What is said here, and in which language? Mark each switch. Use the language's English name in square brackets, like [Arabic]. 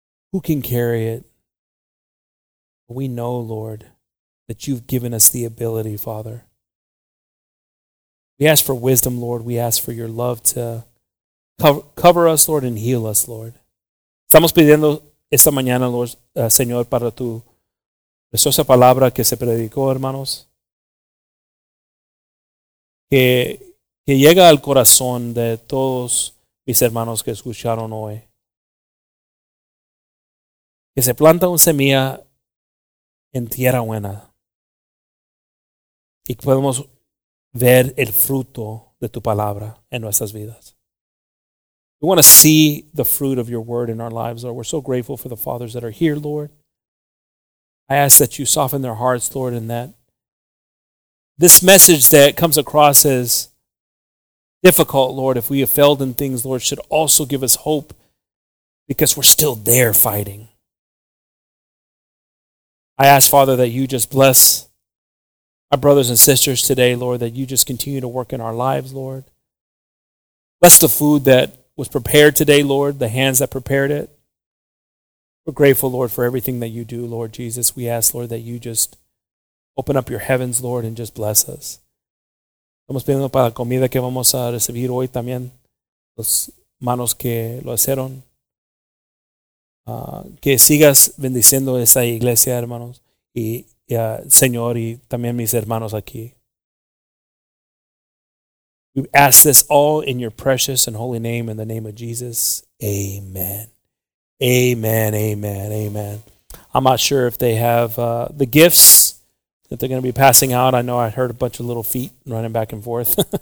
[English] Who can carry it? We know, Lord, that you've given us the ability, Father. We ask for wisdom, Lord. We ask for your love to cover us, Lord, and heal us, Lord. [Spanish] Estamos pidiendo esta mañana, Lord, Señor, para tu preciosa palabra que se predicó, hermanos. Que llega al corazón de todos mis hermanos que escucharon hoy. Que se planta una semilla en tierra buena. Y podemos ver el fruto de tu palabra en nuestras vidas. [English] We want to see the fruit of your word in our lives, Lord. We're so grateful for the fathers that are here, Lord. I ask that you soften their hearts, Lord, and that this message that comes across as difficult, Lord, if we have failed in things, Lord, should also give us hope because we're still there fighting. I ask, Father, that you just bless our brothers and sisters today, Lord, that you just continue to work in our lives, Lord. Bless the food that was prepared today, Lord, the hands that prepared it. We're grateful, Lord, for everything that you do, Lord Jesus. We ask, Lord, that you just open up your heavens, Lord, and just bless us. [Spanish] Estamos pidiendo para la comida que vamos a recibir hoy también, los manos que lo hicieron. Que sigas bendiciendo esa iglesia, hermanos, y Señor, y también mis hermanos aquí. [English] We ask this all in your precious and holy name, in the name of Jesus. Amen. Amen, amen, amen. I'm not sure if they have the gifts that they're going to be passing out. I know I heard a bunch of little feet running back and forth.